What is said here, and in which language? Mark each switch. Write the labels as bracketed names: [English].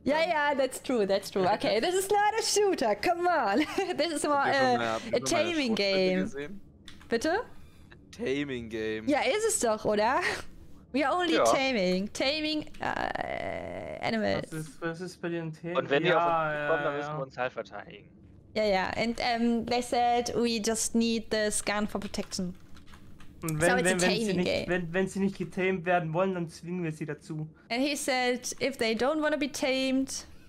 [English] Ja, ja, that's true. Okay, this is not a shooter. Come on. This is more a taming game. Bitte? A taming game. [German] Ja, ist es doch, oder? [English] We are only taming. Taming animals. [German] Das ist bei dir ein Thema. Und wenn die auf uns kommen, dann müssen wir uns halt verteidigen. [English] Yeah, and they said we just need this gun for protection. [German] Wenn sie nicht getamed werden wollen, dann zwingen wir sie dazu. [English] And he said, if they don't want to be tamed,